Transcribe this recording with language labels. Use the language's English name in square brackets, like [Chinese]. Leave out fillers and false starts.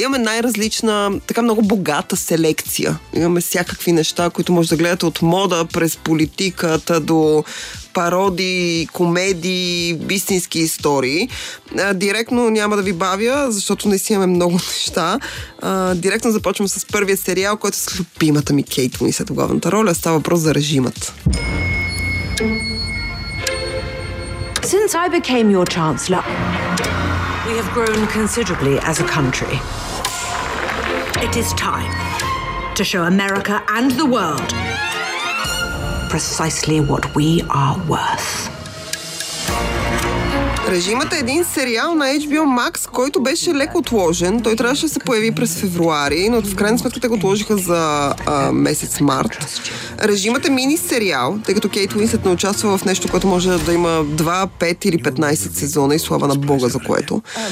[Bulgarian] Имаме най-различна, така много богата селекция. Имаме всякакви неща, които може да гледате от мода през политиката до пародии, комедии, истински истории. Директно няма да ви бавя, защото не си имаме много неща. Директно започвам с първия сериал, който е с любимата ми Кейт Уинслет в главната роля. Става въпрос за Режимът. [English] Since I became your chancellor, we have grown considerably as a country. It is time to show America and the world precisely what we are worth. [Bulgarian] Режимът е един сериал на HBO Max, който беше леко отложен. Той трябваше да се появи през февруари, но в крайна сметка те го отложиха за месец март. Режимът е мини сериал, тъй като Кейт Уинслет не участва в нещо, което може да има 2, 5 или 15 сезона и слава на Бога за което.